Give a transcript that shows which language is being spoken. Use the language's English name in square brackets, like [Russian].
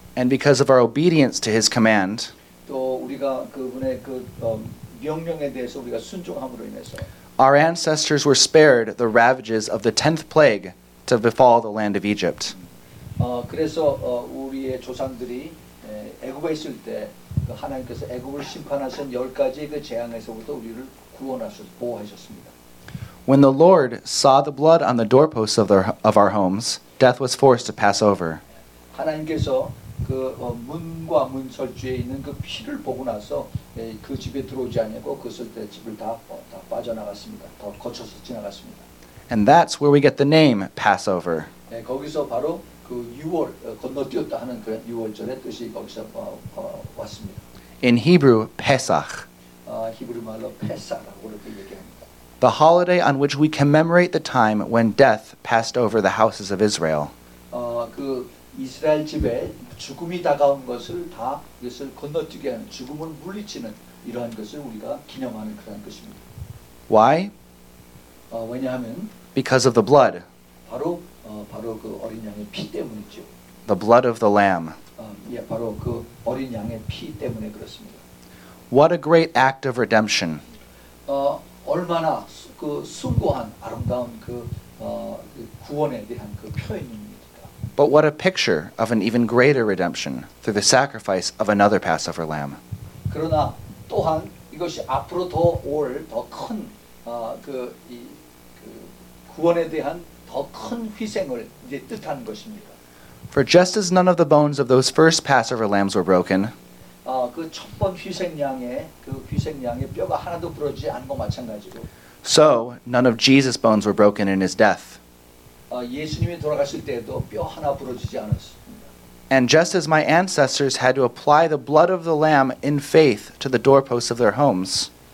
[English] and because of our obedience to His command, [Korean] 또 우리가 그분의 그 명령에 대해서 우리가 순종함으로 인해서, [English] our ancestors were spared the ravages of the tenth plague to befall the land of Egypt. [Korean] 그래서 우리의 조상들이 애굽에 있을 때 하나님께서 애굽을 심판하신 열 가지 그 재앙에서부터 우리를 구원하셨, 보호하셨습니다. [English] When the Lord saw the blood on the doorposts of our homes, death was forced to pass over. [Korean] 하나님께서 그 문과 문 절주에 있는 그 피를 보고 나서 그 집에 들어오지 않냐고 그것을 때 집을 다 빠져나갔습니다. 다 거쳐서 지나갔습니다. [English] And that's where we get the name Passover. [Korean] 거기서 바로 그 6월 건너뛰었다 하는 그 6월절의 뜻이 거기서 왔습니다. [English] In Hebrew, Pesach. [Korean] 히브리 말로 페사라고 그렇게 얘기합니다. [English] The holiday on which we commemorate the time when death passed over the houses of Israel. [Korean] 그 이스라엘 집에 죽음이 다가온 것을 다 이것을 건너뛰게 하는 죽음을 물리치는 이러한 것을 우리가 기념하는 그런 것입니다. [English] Why? [Korean] 왜냐하면 [English] because of the blood. [Korean] 바로 그 어린 양의 피 때문이죠. [English] The blood of the lamb. [Korean] 바로 그 어린 양의 피 때문에 그렇습니다. [English] What a great act of redemption. [Korean] 얼마나 그 숭고한 아름다운 그 구원에 대한 그 표현입니까? [English] But what a picture of an even greater redemption through the sacrifice of another Passover lamb. [Korean] 그러나 또한 이것이 앞으로 더 올 더 큰 그 이 그 구원에 대한 더 큰 희생을 이제 뜻하는 것입니다. [English] For just as none of the bones of those first Passover lambs were broken, [Korean] 그 첫 번 희생양의 그 희생양의 뼈가 하나도 부러지지 않은 것 마찬가지로, [English] so none of Jesus' bones were broken in his death. [Korean] 예수님이 돌아가실 때에도 뼈 하나 부러지지 않았습니다. [English] And just as my ancestors had to apply the blood of the lamb in faith to the doorposts of their homes,